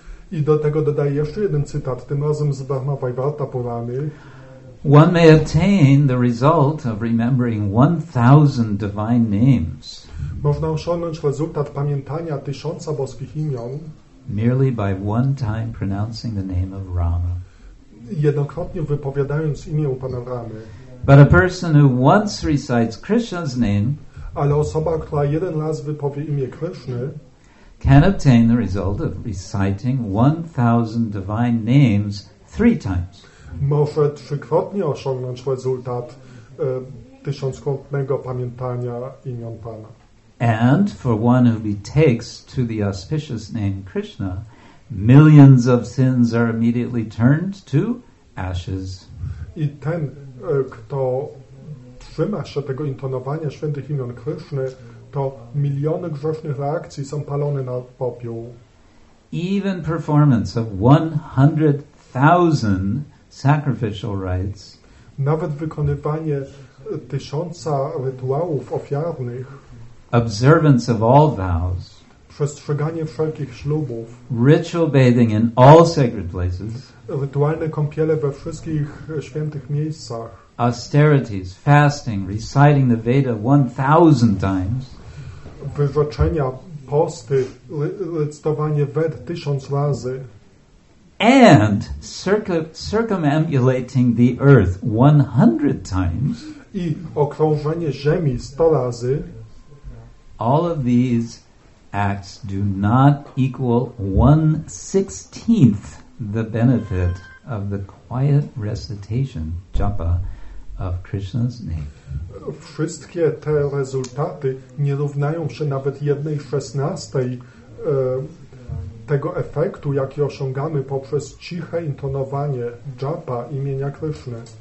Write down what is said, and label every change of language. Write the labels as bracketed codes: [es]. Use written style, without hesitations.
[pl] I do tego dodaję jeszcze jeden cytat, tym razem z Brahma Vaivarta Purany. [en] One may attain the result of remembering 1,000 divine names. [pl] Można osiągnąć rezultat pamiętania 1,000 boskich imion. [en] Merely by one time pronouncing the name of Rama. [pl] Jednokrotnie wypowiadając imię Pana Ramy. [en] But a person who once recites Krishna's name, [pl] ale osoba, która jeden raz wypowie imię Krishna, [en] can obtain the result of reciting 1,000 divine names 3 times. [pl] Może trzykrotnie osiągnąć rezultat tysiąckrotnego pamiętania imion Pana. [en] And for one who betakes to the auspicious name Krishna, millions of sins are immediately turned to ashes. [pl] I ten, kto trzyma się tego intonowania świętych imion Krishna, to miliony grzesznych reakcji są palone na popiół. [en] Even performance of 100,000 sacrificial rites, [pl] nawet wykonywanie 1,000 rytuałów ofiarnych, [en] observance of all vows, [pl] przestrzeganie wszelkich ślubów, [en] ritual bathing in all sacred places, [pl] rytualne kąpiele we wszystkich świętych miejscach, [en] austerities, fasting, reciting the Veda 1,000 times, [pl] wyrzeczenia, posty, recytowanie Ved 1,000 razy, [en] and circumambulating the earth 100 times, [pl] i okrążenie ziemi 100 razy. [en] All of these acts do not equal 1/16 the benefit of the quiet recitation, japa, of Krishna's name. [pl] Wszystkie te rezultaty nie równają się nawet 1/16 tego efektu, jaki osiągamy poprzez ciche intonowanie japa imienia Krishna.